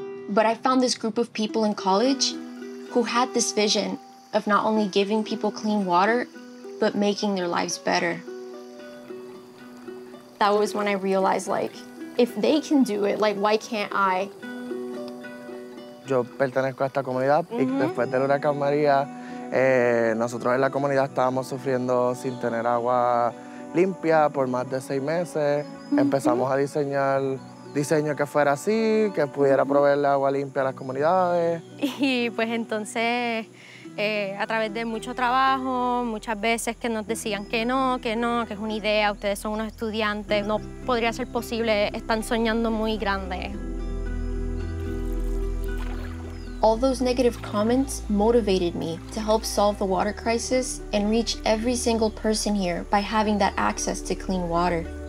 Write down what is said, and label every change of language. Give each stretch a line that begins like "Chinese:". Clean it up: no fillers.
English: But I found this group of people in college who had this vision of not only giving people clean water, but making their lives better. That was when I realized, like, if they can do it, like, why can't I?
Spanish: Yo pertenezco a esta comunidad, mm-hmm. y después del huracán María, nosotros en la comunidad estábamos sufriendo sin tener agua limpia por más de 6 meses. Mm-hmm. Empezamos a diseñar diseño que fuera así, que pudiera proveerle agua limpia a las comunidades. Y pues entonces, a través de mucho trabajo, muchas veces que nos decían que no, que es una idea, ustedes son unos estudiantes, no podría ser posible, están soñando muy grande.
English: All those negative comments motivated me to help solve the water crisis and reach every single person here by having that access to clean water.